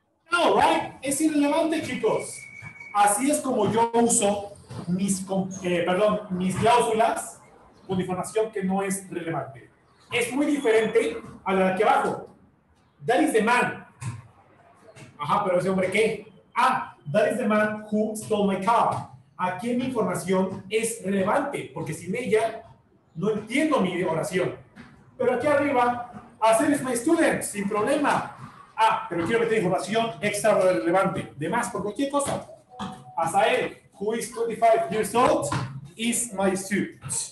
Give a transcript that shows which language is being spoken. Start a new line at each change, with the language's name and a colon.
Spanish: No, right? Es irrelevante, chicos. Así es como yo uso mis cláusulas con información que no es relevante. Es muy diferente a la de aquí abajo.
English: That is the man.
Spanish: Ajá, pero ese hombre, ¿qué?
English: Ah, that is the man who stole my car.
Spanish: Aquí mi información es relevante, porque sin ella no entiendo mi oración. Pero aquí arriba, hacer es my student, sin problema. Ah, pero quiero meter información extra relevante. De más, por cualquier cosa.
English: Asael, who is 25 years old, is my student.